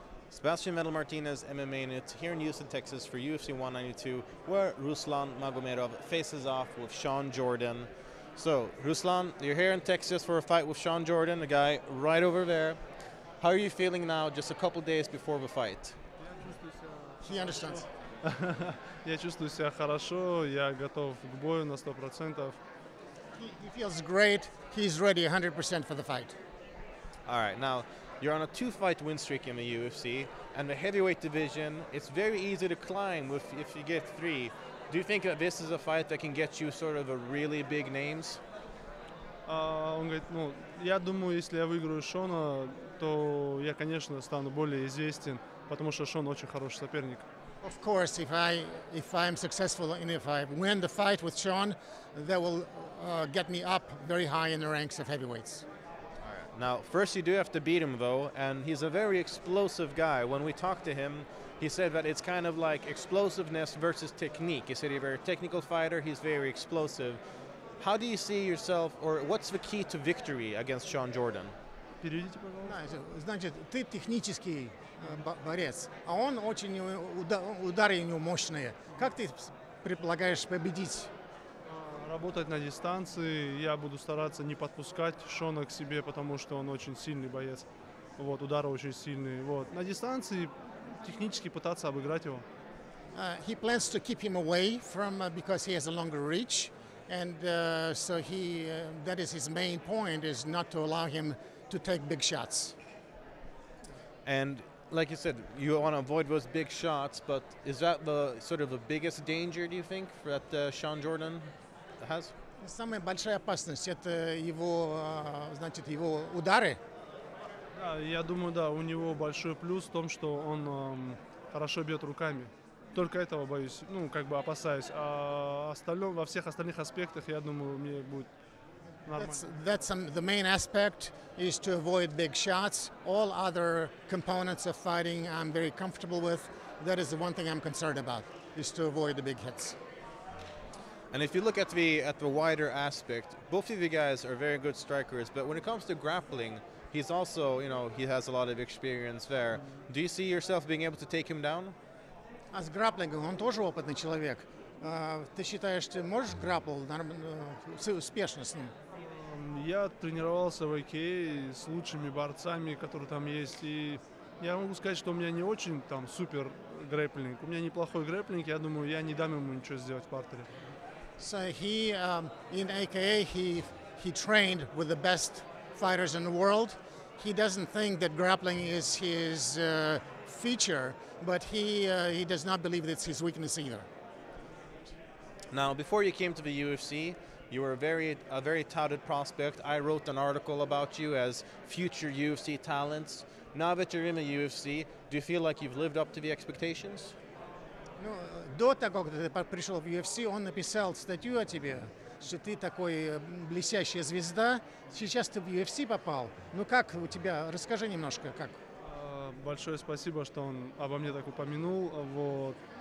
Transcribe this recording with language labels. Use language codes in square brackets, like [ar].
[en] Sebastian Metal Martinez MMA, and it's here in Houston, Texas for UFC 192, where Ruslan Magomedov faces off with Sean Jordan. So, Ruslan, you're here in Texas for a fight with Sean Jordan, the guy right over there. How are you feeling now, just a couple days before the fight? He understands. [ru] Я чувствую себя хорошо, я готов к бою на 100%. [en] He feels great, he's ready 100% for the fight. All right, now, you're on a two-fight win streak in the UFC, and the heavyweight division, it's very easy to climb if you get three. Do you think that this is a fight that can get you sort of a really big names? [ru] Он говорит, ну, я думаю, если я выиграю Шона, то я, конечно, стану более известен, потому что Шон очень хороший соперник. [en] Of course, if I'm successful and if I win the fight with Sean, that will get me up very high in the ranks of heavyweights. All right. Now, first you do have to beat him, though, and he's a very explosive guy. When we talked to him, he said that it's kind of like explosiveness versus technique. He said he's a very technical fighter, he's very explosive. How do you see yourself, or what's the key to victory against Sean Jordan? [ru] Переведите, пожалуйста. Значит, ты технический борец, а он очень удары у него мощные. Как ты предполагаешь победить? Работать на дистанции. Я буду стараться не подпускать Шона к себе, потому что он очень сильный боец. Вот, удары очень сильные. Вот. На дистанции технически пытаться обыграть его. [en] He plans to keep him away from because he has a longer reach. And so he that is his main point, is not to allow him to take big shots. And like you said, you want to avoid those big shots, but is that the sort of the biggest danger, do you think, that Sean Jordan has? [ru] Самая большая опасность это его, значит, его удары. Да, я думаю, да, у него большой плюс в том, что он хорошо бьет руками. Только этого боюсь, ну, как бы опасаюсь. А остальное, во всех остальных аспектах, я думаю, мне будет [en] The main aspect is to avoid big shots. All other components of fighting I'm very comfortable with. That is the one thing I'm concerned about, is to avoid the big hits. And if you look at the wider aspect, both of you guys are very good strikers, but when it comes to grappling, he's also, you know, he has a lot of experience there. Do you see yourself being able to take him down? As grappling, [ru] он тоже опытный человек. Ты считаешь, ты можешь граппл успешно с ним? Я тренировался в АКА с лучшими борцами, которые там есть. И я могу сказать, что у меня не очень там супер грэпплинг. У меня неплохой грэпплинг, я думаю, я не дам ему ничего сделать в партере. [en] So he in AKA he trained with the best fighters in the world. He doesn't think that grappling is his feature, but he does not believe that it's his weakness either. Now, before you came to the UFC, you were a very touted prospect. I wrote an article about you as future UFC talents. Now that you're in the UFC, do you feel like you've lived up to the expectations? [ru] Ну, до того, как ты пришел в UFC, он написал статью о тебе, что ты такой блестящая звезда. Сейчас ты в UFC попал. Ну как у тебя? Расскажи немножко, как. Большое спасибо, что он обо мне так упомянул. Вот.